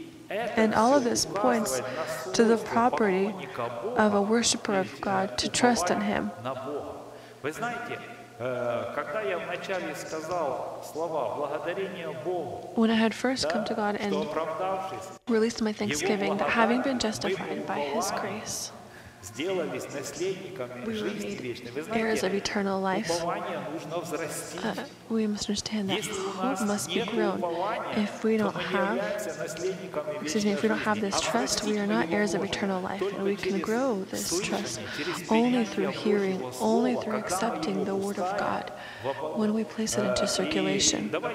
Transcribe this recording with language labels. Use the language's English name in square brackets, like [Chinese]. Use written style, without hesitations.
[English] And all of this points to the property of a worshiper of God to trust in Him. When I had first come to God and released my thanksgiving, that having been justified by His grace, [Russian] сделались наследниками жизни вечной. Вы [English] знаете, heirs of eternal life. [Russian] Упование нужно взрастить. [English] We must understand that hope must be grown. If we don't have, if we don't have this trust, we are not heirs of eternal life, and we can grow this trust only through hearing, only through accepting the Word of God when we place it into circulation.